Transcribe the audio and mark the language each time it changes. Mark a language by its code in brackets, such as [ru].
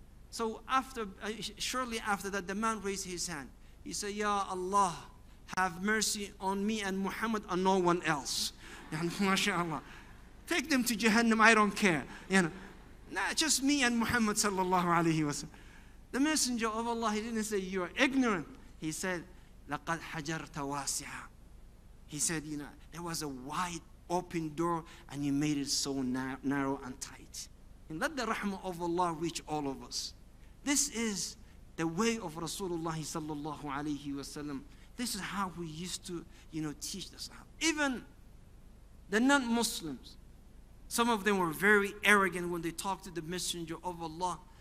[en] So after, shortly after that, the man raised his hand. He said, Ya Allah, have mercy on me and Muhammad and no one else. MashaAllah. Take them to Jahannam, I don't care. You know, not just me and Muhammad sallallahu alayhi wa sallam. The Messenger of Allah, he didn't say, you're ignorant. [ar] He said, لَقَدْ حَجَرْتَ وَاسِعًا. [en] He said, you know, there was a wide open door and you made it so narrow and tight. And let the rahmah of Allah reach all of us. This is the way of Rasulullah sallallahu alayhi wa sallam. This is how we used to, you know, teach the Sahaba. Even the non-Muslims, some of them were very arrogant when they talked to the Messenger of Allah.